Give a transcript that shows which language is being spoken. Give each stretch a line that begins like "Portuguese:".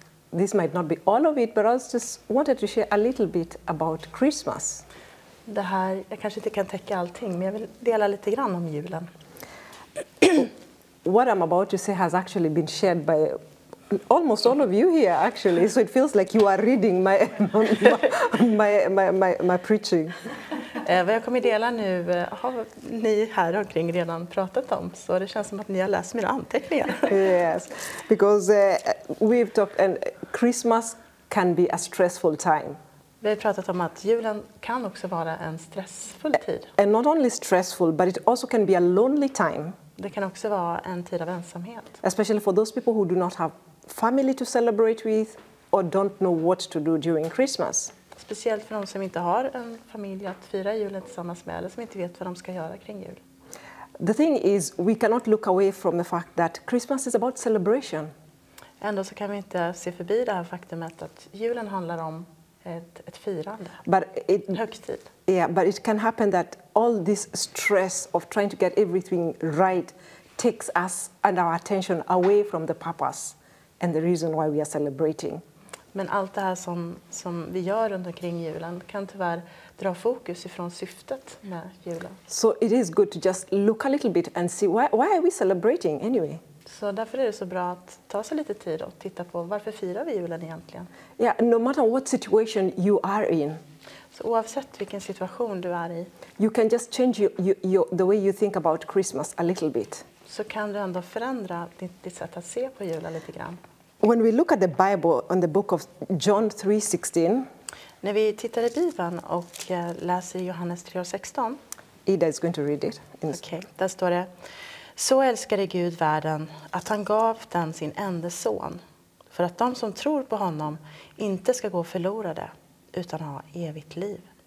English: This might not be all of it, but I just wanted to share a little bit about Christmas.
Swedish: Det här, jag kanske inte kan täcka allting, men jag vill dela lite grann om julen.
English: What I'm about to say has actually been shared by almost all of you here actually, so it feels like you are reading my preaching.
Swedish: Vad jag kommer dela nu har ni här omkring redan pratat om, så det känns som att ni har läst mina anteckningar.
English: Yes, because we've talked, and Christmas can be a stressful time.
Swedish: Vi har pratat om att julen kan också vara en stressfull tid.
English: And not only stressful, but it also can be a lonely time.
Swedish: Det kan också vara en tid av ensamhet.
English: Especially for those people who do not have family to celebrate with or don't know what to do during Christmas.
Swedish: Speciellt för de som inte har en familj att fira julen tillsammans med, eller som inte vet vad de ska göra kring jul.
English: The thing is, we cannot look away from the fact that Christmas is about celebration.
Swedish: Ändå så kan vi inte se förbi det här faktumet att julen handlar om ett firande, en högtid.
English: Yeah, but it can happen that all this stress of trying to get everything right takes us and our attention away from the purpose and the reason why we are celebrating.
Swedish: Men allt det här som vi gör runt omkring julen kan tyvärr dra fokus ifrån syftet med julen.
English: So it is good to just look a little bit and see why are we celebrating anyway?
Swedish: Så därför är det så bra att ta sig lite tid och titta på varför firar vi julen egentligen?
English: Yeah, no matter what situation you are in.
Swedish: Så oavsett vilken situation du är i.
English: You can just change the way you think about Christmas a little bit.
Swedish: Så kan du ändå förändra ditt sätt att se på julen lite grann.
English: When we look at the Bible on the book of John 3:16.
Swedish: När vi tittar i Bibeln och läser Johannes 3:16.
English: Ida is going to read it.
Swedish: Okay, där står det. Så älskade Gud världen att han gav den sin enda son för att de som tror på honom inte ska gå förlorade utan ha evigt liv.